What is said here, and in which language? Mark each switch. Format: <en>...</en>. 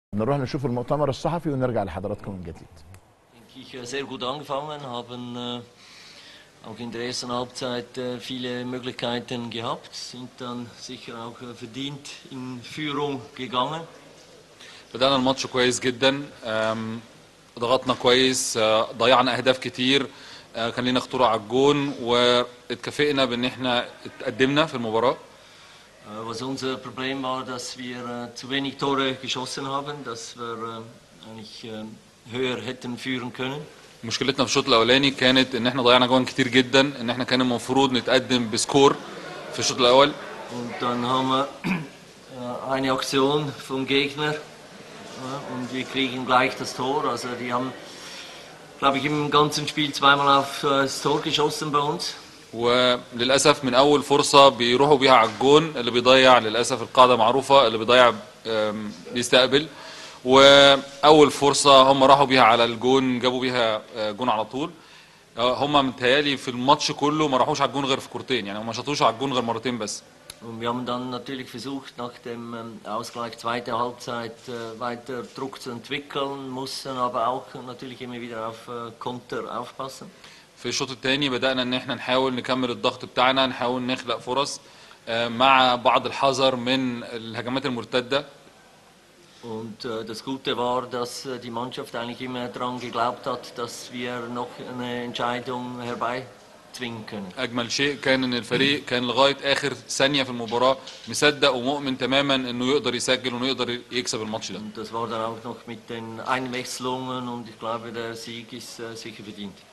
<ar>نروح نشوف المؤتمر الصحفي ونرجع لحضراتكم من جديد.</ar> <de>Ich habe sehr gut angefangen, haben auch in der ersten Halbzeit viele Möglichkeiten gehabt, sind dann sicher auch verdient in Führung gegangen.</de> <ar>بدأنا الماتش كويس جدا، ضغطنا كويس، ضيعنا أهداف كتير، كان لنا خطورة على الجون، واتكافئنا بأن احنا اتقدمنا في المباراة.</ar> <de>Was unser Problem war, dass wir zu wenig Tore geschossen haben, dass wir eigentlich höher hätten führen können.</de> <ar>مشكلتنا في الشوط الأولاني كانت إن احنا ضيعنا جوان كتير جدا، إن احنا كان المفروض نتقدم بسكور في الشوط الأول.</ar> <de>Und dann haben wir eine Aktion vom Gegner und wir kriegen gleich das Tor. Also die haben, glaube ich, im ganzen Spiel zweimal auf das Tor geschossen bei uns.</de> <ar>وللأسف من أول فرصة بيروحوا بيها على الجون، اللي بيضيع للأسف القاعدة معروفة، اللي بيضيع بيستقبل، وأول فرصة هم راحوا بيها على الجون جابوا بيها جون على طول. هم متهيألي في الماتش كله ما راحوش على الجون غير في كورتين، يعني ما شاطوش على الجون غير مرتين بس.</ar> <de>Und wir haben dann natürlich versucht, nach dem Ausgleich zweite Halbzeit weiter Druck zu entwickeln, mussten aber auch natürlich immer wieder auf Konter aufpassen.</de> <ar>في الشوط الثاني بدأنا إن احنا نحاول نكمل الضغط بتاعنا، نحاول نخلق فرص مع بعض الحذر من الهجمات المرتدة.</ar> <de>Und das Gute war, dass die Mannschaft eigentlich immer daran geglaubt hat, dass wir noch eine Entscheidung herbeizwingen können.</de> <ar>أجمل شيء كان إن الفريق كان لغاية آخر ثانية في المباراة مصدق ومؤمن تماما إنه يقدر يسجل وإنه يقدر يكسب الماتش ده.</ar> <de>Und das war dann auch noch mit den Einwechslungen und ich glaube, der Sieg ist sicher verdient.</de>